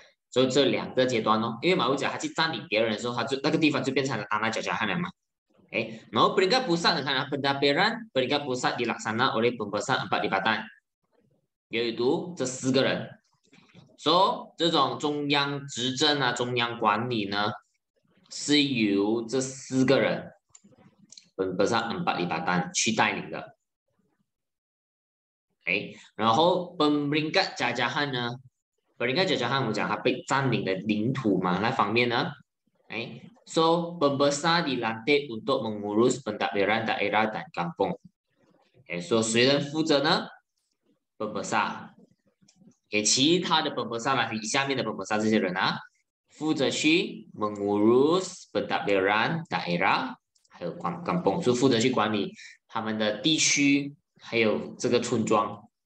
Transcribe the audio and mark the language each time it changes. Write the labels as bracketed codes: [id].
[zh] 所以这两个阶段哦，因为马六甲他去占领别人的时候，他就那个地方就变成了安纳贾加汗了嘛。哎，然后 peringkat pusat 你看啊 ， [ms] pendaftaran peringkat pusat dilaksana oleh pembesar empat jabatan， [zh] 也就是这四个人。所以这种中央执政啊，中央管理呢，是由这四个人，pembesar empat jabatan 去带领的。哎，然后 peringkat jajahan 呢？ Peringkat jajahan 我们讲它被占领的领土嘛，那方面呢？哎 ，so [ms] pembesar dilantik untuk mengurus pentadbiran daerah dan kampung. [zh] Okay, so 谁人负责呢 ？Pembesar. Okay, 其他的 pembesar 啦，以下面的 pembesar 这些人啊，负责去 [ms] mengurus pentadbiran daerah [zh] 还有 kampung， 就负责去管理他们的地区还有这个村庄。